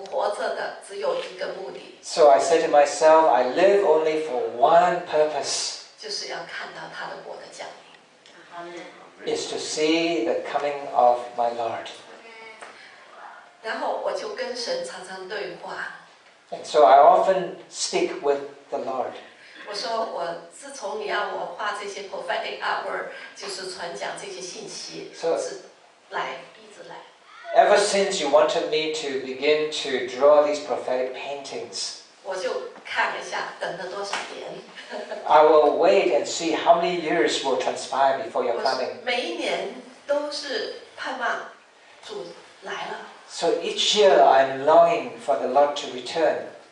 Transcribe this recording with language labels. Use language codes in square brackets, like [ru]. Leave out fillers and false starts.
[zh] 因为我觉得我自己,我说的,我活着的只有一个目的。 [en] So I said to myself, I live only for one purpose. [zh] 就是要看到他的国的降临。 [en] Is to see the coming of my Lord. [zh] 然后我就跟神常常对话。 [en] And so I often speak with the Lord. [zh] 我说我自从你要我画这些 [en] prophetic artwork， [zh] 就是传讲这些信息，是来一直来。 [en] Ever since you wanted me to begin to draw these prophetic paintings， [zh] 我就看了一下，等了多少年。 [en] I will wait and see how many years will transpire before your coming. [zh] 每一年都是盼望主来了。 [en] So each year I'm longing for the Lord to return.